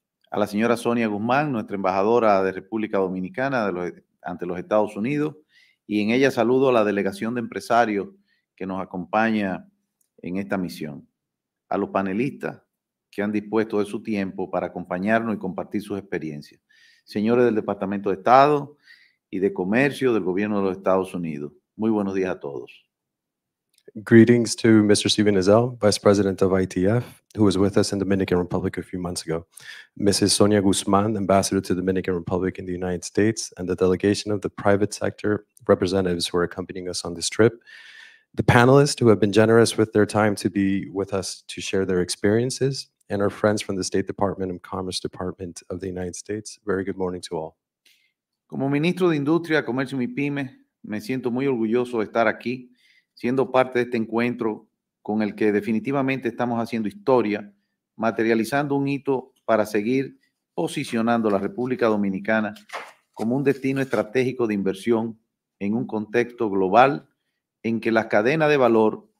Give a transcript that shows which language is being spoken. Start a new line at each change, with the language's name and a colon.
Spanish: A la señora Sonia Guzmán, nuestra embajadora de República Dominicana ante los Estados Unidos, y en ella saludo a la delegación de empresarios que nos acompaña en esta misión. A los panelistas que han dispuesto de su tiempo para acompañarnos y compartir sus experiencias. Señores del Departamento de Estado y de Comercio del Gobierno de los Estados Unidos, muy buenos días a todos.
English: Greetings to Mr. Steven Ezel, Vice President of ITIF, who was with us in Dominican Republic a few months ago. Mrs. Sonia Guzmán, Ambassador to Dominican Republic in the United States, and the delegation of the private sector representatives who are accompanying us on this trip. The panelists who have been generous with their time to be with us to share their experiences, and our friends from the State Department and Commerce Department of the United States. Very good morning to all.
Spanish: Como ministro de Industria, Comercio y Pymes, me siento muy orgulloso de estar aquí, siendo parte de este encuentro con el que definitivamente estamos haciendo historia, materializando un hito para seguir posicionando la República Dominicana como un destino estratégico de inversión en un contexto global en que las cadenas de valor